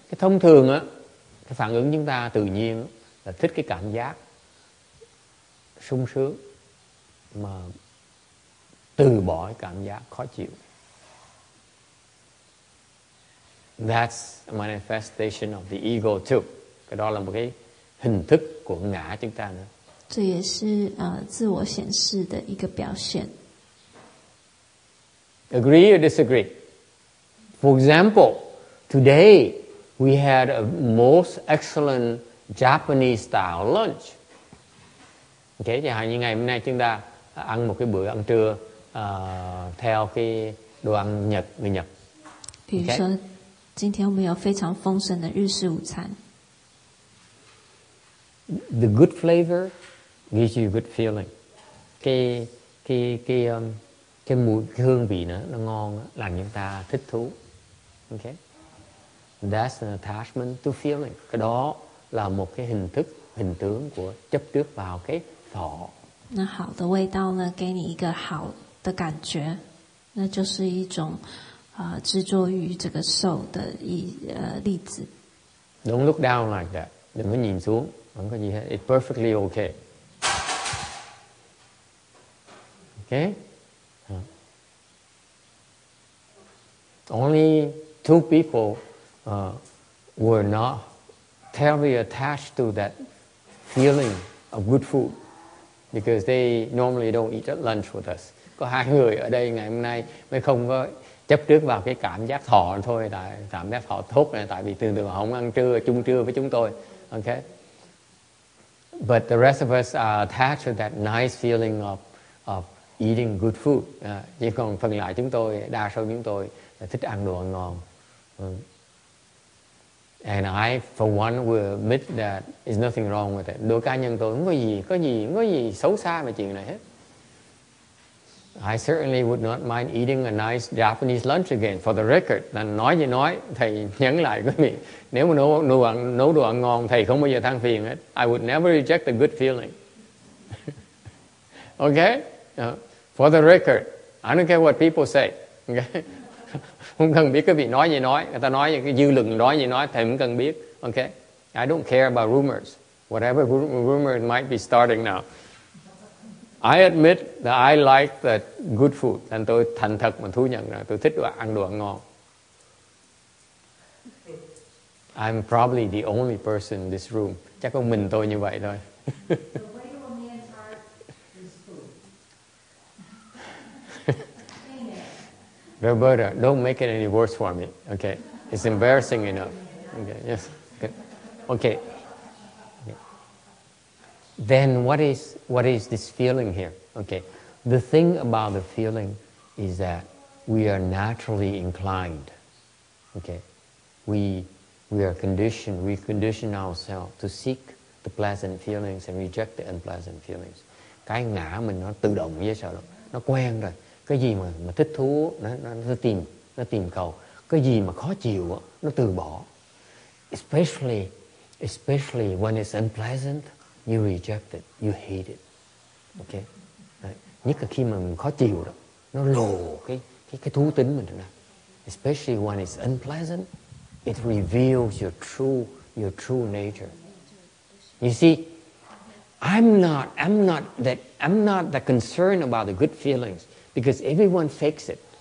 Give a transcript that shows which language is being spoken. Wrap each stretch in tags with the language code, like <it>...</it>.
<vi>Thông thường á, cái phản ứng chúng ta tự nhiên là thích cái cảm giác sung sướng mà từ bỏ cái cảm giác khó chịu.</vi> <en>That's a manifestation of the ego too.</en> <vi>Cái đó là một cái hình thức của ngã chúng ta nữa.</vi> <zh>这也是, 自我显示的一个表现.</zh> <en>Agree or disagree? For example, today we had a most excellent Japanese style lunch.</en> <vi>Okay, chẳng hạn như ngày hôm nay chúng ta ăn một cái bữa ăn trưa theo cái đồ ăn Nhật, người Nhật.</vi> <en>Okay.</en> <zh>比如说今天我们有非常丰盛的日式午餐.</zh> <en>The good flavor gives you a good feeling.</en> <vi>Cái mùi cái hương vị nữa nó ngon làm chúng ta thích thú. Okay.</vi> <en>That's an attachment to feeling.</en> <vi>Cái đó là một cái hình thức, hình tướng của chấp trước vào cái thọ.</vi> <zh>那好的味道呢，给你一个好的感觉，那就是一种执着于这个受的例子.</zh> <en>Don't look down like that.</en> <vi>Đừng có nhìn xuống. Không có gì hết.</vi> <en>It's perfectly okay. Okay? Only two people were not terribly attached to that feeling of good food because they normally don't eat at lunch with us.</en> <vi>Có hai người ở đây ngày hôm nay mới không có chấp trước vào cái cảm giác thọ thôi, tại cảm giác thọ tốt này, tại vì thường thường họ không ăn trưa, chung trưa với chúng tôi.</vi> <en>Okay? But the rest of us are attached to that nice feeling of eating good food.</en> <vi>Chỉ còn phần lại chúng tôi, đa số chúng tôi là thích ăn đồ ăn ngon.</vi> <en>And I, for one, will admit that there's nothing wrong with it.</en> <vi>Đối cá nhân tôi không có gì, xấu xa về chuyện này hết.</vi> <en>I certainly would not mind eating a nice Japanese lunch again, for the record.</en> <vi>Nói gì nói, thầy nhấn lại quý vị. Nếu mà nấu đồ ăn ngon, thầy không bao giờ than phiền hết.</vi> <en>I would never reject the good feeling. Okay? For the record, I don't care what people say. Okay?</en> <vi>Không cần biết quý vị nói gì nói. Người ta nói gì, cái dư luận nói gì nói, thầy cũng cần biết.</vi> <en>Okay? I don't care about rumors. Whatever rumor might be starting now. I admit that I like the good food.</en> <vi>Nên tôi thành thật mà thú nhận rằng tôi thích ăn đồ ăn ngon.</vi> <en>I'm probably the only person in this room.</en> <vi>Chắc có mình tôi như vậy thôi.</vi> <en>Roberta, don't make it any worse for me. Okay, it's embarrassing enough. Okay, yes. Okay. Then what is this feeling here? Okay, the thing about the feeling is that we are naturally inclined. Okay, we are conditioned. We condition ourselves to seek the pleasant feelings and reject the unpleasant feelings.</en> <vi>Cái ngã mình nó tự động như sao đâu? Nó quen rồi. Cái gì mà thích thú nó tìm cầu. Cái gì mà khó chịu nó từ bỏ.</vi> <en>Especially when it's unpleasant. You reject it, you hate it. Okay? Đấy.</en> <vi>Nhất là khi mà mình khó chịu đó, nó lộ cái thú tính mình ra.</vi> <en>Especially when it's unpleasant, it reveals your true nature. You see, I'm not that concerned about the good feelings because everyone fakes it.</en>